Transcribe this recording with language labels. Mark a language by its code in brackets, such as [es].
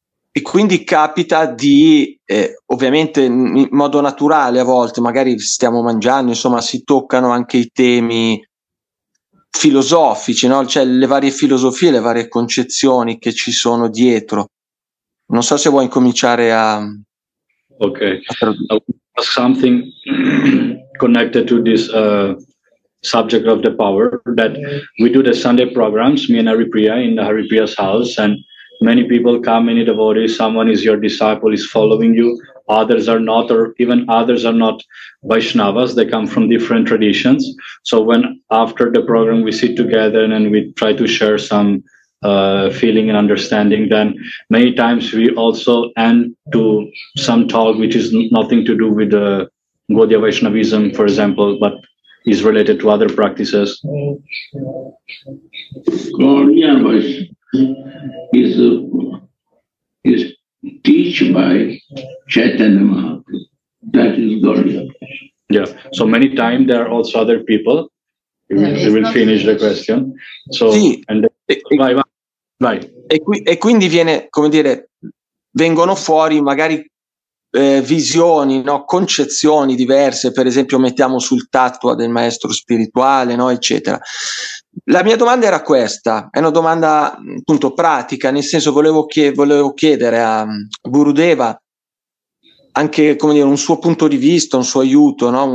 [it] E quindi capita di, ovviamente in modo naturale a volte, magari stiamo mangiando, insomma, si toccano anche i temi filosofici, no? Cioè le varie filosofie, le varie concezioni che ci sono dietro. Non so se vuoi incominciare a... [en] Ok, a something connected to this subject of the power, that we do the Sunday programs, me and Haripriya, in the Haripriya's house, and many people come, many devotees, someone is your disciple, is following you, others are not, or even others are not Vaishnavas, they come from different traditions. So when after the program we sit together and we try to share some feeling and understanding, then many times we also end to some talk which is nothing to do with Gaudiya Vaishnavism, for example, but is related to other practices. Gaudiya Vaishnavism is teached by Chaitanya Mahaprabhu. That is Gaudiya Vaishnavism. Yeah, so many times there are also other people. We will finish the question. So, [it] sì. [en] And then, [it] vai, vai. Vai. E quindi viene, come dire, vengono fuori magari visioni, no? Concezioni diverse, per esempio mettiamo sul tattua del maestro spirituale, no? Eccetera. La mia domanda era questa, è una domanda appunto pratica, nel senso volevo chiedere a Gurudeva anche, come dire, un suo punto di vista, un suo aiuto, no?